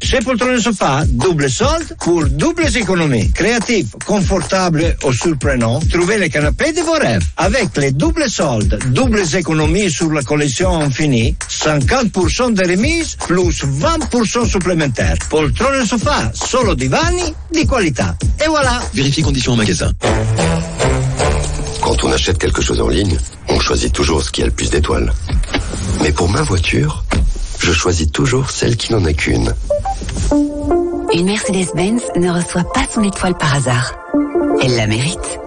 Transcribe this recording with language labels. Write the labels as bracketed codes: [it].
[fr] Chez Poltrone Sofa, double solde pour doubles économies. Créatif, confortable ou surprenant, trouvez les canapés de vos rêves. Avec les doubles soldes, doubles économies sur la collection infinie, 50% de remise plus 20% supplémentaire. [it] Poltrone sofa, solo divani di qualità. [fr] Et voilà. Vérifie conditions en magasin. Quand on achète quelque chose en ligne, on choisit toujours ce qui a le plus d'étoiles. Mais pour ma voiture, je choisis toujours celle qui n'en a qu'une. Une Mercedes-Benz ne reçoit pas son étoile par hasard. Elle la mérite.